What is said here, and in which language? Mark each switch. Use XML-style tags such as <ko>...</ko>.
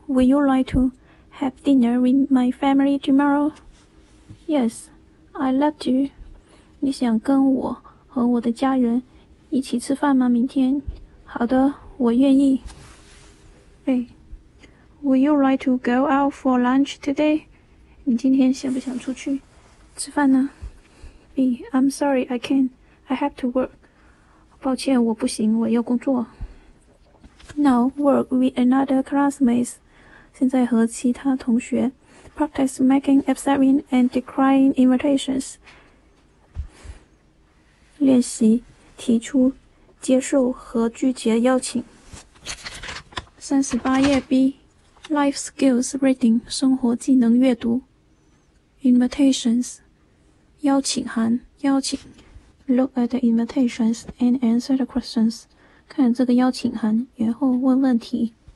<en>Would you like to have dinner with my family tomorrow? Yes, I'd love to.</en> <zh>你想跟我和我的家人一起吃饭吗？明天。好的，我愿意。A.</zh> <en>Would you like to go out for lunch today?</en> <zh>你今天想不想出去吃饭呢？</zh> <en>B. I'm sorry, I can't. I have to work.</en> <zh>抱歉，我不行，我要工作。</zh> <en>Now work with another classmates.</en> <zh>现在和其他同学。</zh> <en>Practice making, accepting, and declining invitations.</en> <zh>练习提出、接受和拒绝邀请。 38页 B.</zh> <en>Life skills reading,</en> <zh>生活技能阅读。 Invitations, 邀请函，邀请。</zh> <en>Look at the invitations and answer the questions.</en> <zh>看这个邀请函，然后问问题。</zh>